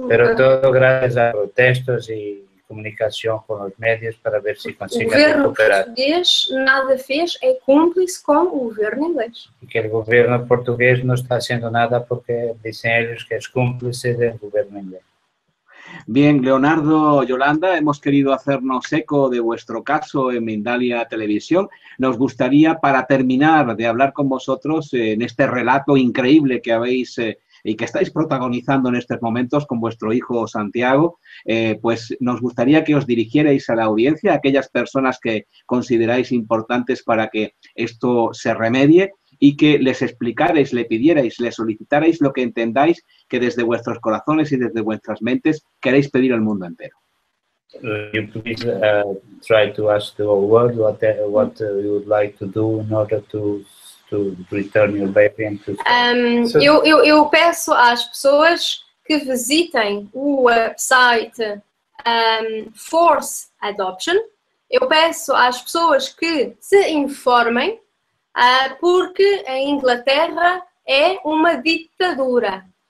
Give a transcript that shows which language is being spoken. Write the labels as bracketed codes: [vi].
[pt] Pero tudo graças a protestos e comunicação com os médias para ver se consiga recuperar. O governo português nada fez, é cúmplice com o governo inglês. E que o governo português não está fazendo nada porque dizem eles que é cúmplice do governo inglês. [es] Bien, Leonardo, Yolanda, hemos querido hacernos eco de vuestro caso en Mindalia Televisión. Nos gustaría, para terminar de hablar con vosotros en este relato increíble que habéis y que estáis protagonizando en estos momentos con vuestro hijo Santiago, pues nos gustaría que os dirigierais a la audiencia, a aquellas personas que consideráis importantes para que esto se remedie, y que les explicarais, le pidierais, le solicitarais lo que entendáis que desde vuestros corazones y desde vuestras mentes queréis pedir al mundo entero. [en] You please try to ask the whole world what you would like to do in order to return your baby. And to... [pt] Eu peço às pessoas que visitem o website Force Adoption. Eu peço às pessoas que se informem. Porque a Inglaterra é uma ditadura.